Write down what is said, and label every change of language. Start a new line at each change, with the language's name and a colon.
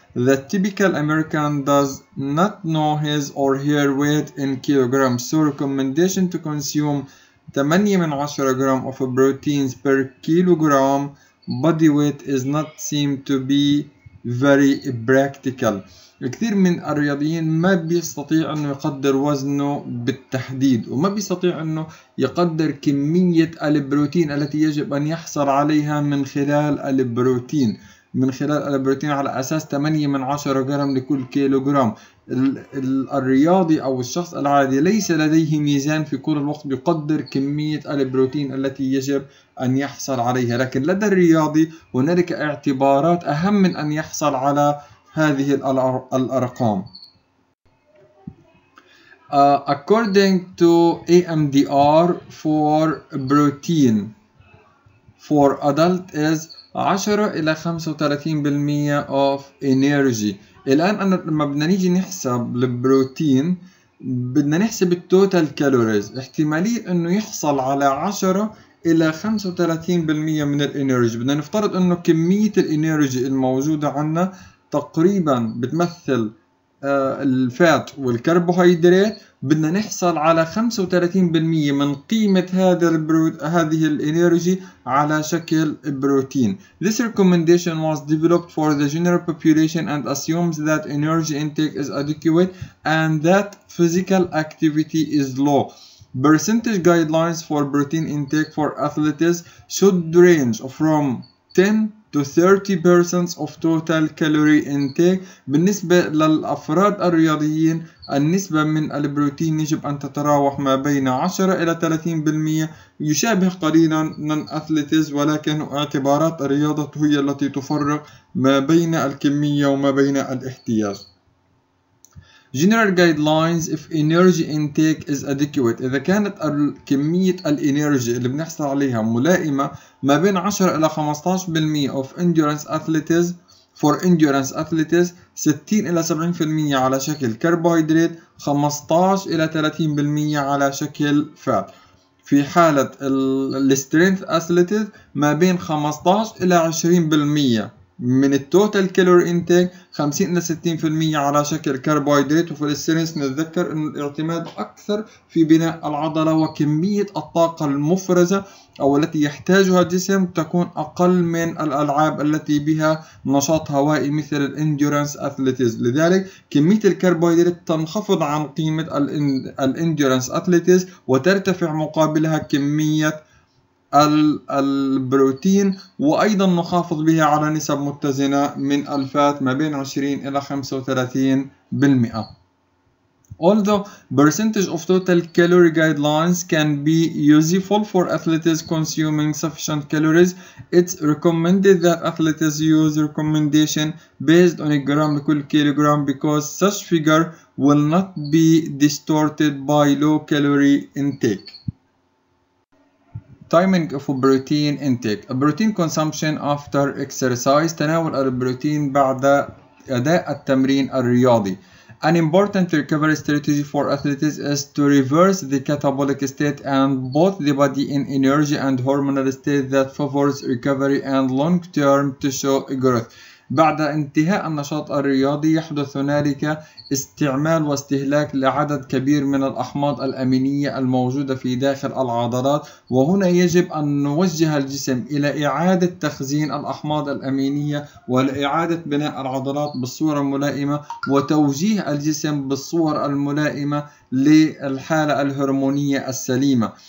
English: The typical American does not know his or her weight in kilograms. So recommendation to consume 8/10 gram of proteins per kilogram body weight is not seem to be very practical.
Arabic: الكثير من الرياضيين ما بيستطيع انه يقدر وزنه بالتحديد، وما بيستطيع انه يقدر كمية البروتين التي يجب ان يحصل عليها من خلال البروتين، على اساس 8/10 جرام لكل كيلو جرام. الرياضي او الشخص العادي ليس لديه ميزان في كل الوقت يقدر كمية البروتين التي يجب ان يحصل عليها، لكن لدى الرياضي هنالك اعتبارات اهم من ان يحصل على هذه الأرقام.
English: According to AMDR for protein for adult is 10-35% of energy.
Arabic: الآن أنا لما بدنا نيجي نحسب البروتين بدنا نحسب التوتال كالوريز، احتمالية إنه يحصل على 10-35% من الإنرجي. بدنا نفترض إنه كمية الإنرجي الموجودة عنا تقريبا بتمثل الفات والكربوهيدرات، بدنا نحصل على 35% من قيمة هذه الانرجي على شكل بروتين.
English: This recommendation was developed for the general population and assumes that energy intake is adequate and that physical activity is low. Percentage guidelines for protein intake for athletes should range from 10-30% of total calorie intake.
Arabic: بالنسبة للأفراد الرياضيين النسبة من البروتين يجب أن تتراوح ما بين 10-30%، يشابه قليلا من أثليتز، ولكن اعتبارات الرياضة هي التي تفرق ما بين الكمية وما بين الاحتياج.
English: General guidelines if energy intake is adequate.
Arabic: إذا كانت كمية الإنرجي اللي بنحصل عليها ملائمة، ما بين 10-15%
English: of endurance athletes for endurance athletes،
Arabic: 60-70% على شكل كربوهيدرات، 15-30% على شكل فات. في حالة الـ
English: strength athletes
Arabic: ما بين 15-20% من التوتال كالوري انتيك 50 الى 60% على شكل كربوهيدرات. وفي الاستريس نتذكر ان الاعتماد اكثر في بناء العضله، وكميه الطاقه المفرزه او التي يحتاجها الجسم تكون اقل من الالعاب التي بها نشاط هوائي مثل الانديورانس اثليتيز. لذلك كميه الكربوهيدرات تنخفض عن قيمه الانديورانس اثليتيز وترتفع مقابلها كميه البروتين، وأيضا نخافض بها على نسب متزنة من الفات ما بين 20 إلى 35%.
English: Although percentage of total calorie guidelines can be useful for athletes consuming sufficient calories, it's recommended that athletes use recommendation based on a gram per kilogram because such figure will not be distorted by low calorie intake. Timing of protein intake. Protein consumption after exercise.
Arabic: تناول البروتين بعد أداء التمرين الرياضي.
English: An important recovery strategy for athletes is to reverse the catabolic state and both the body in energy and hormonal state that favors recovery and long-term tissue growth.
Arabic: بعد انتهاء النشاط الرياضي يحدث هنالك استعمال واستهلاك لعدد كبير من الأحماض الأمينية الموجودة في داخل العضلات، وهنا يجب أن نوجه الجسم إلى إعادة تخزين الأحماض الأمينية ولإعادة بناء العضلات بالصورة الملائمة وتوجيه الجسم بالصور الملائمة للحالة الهرمونية السليمة.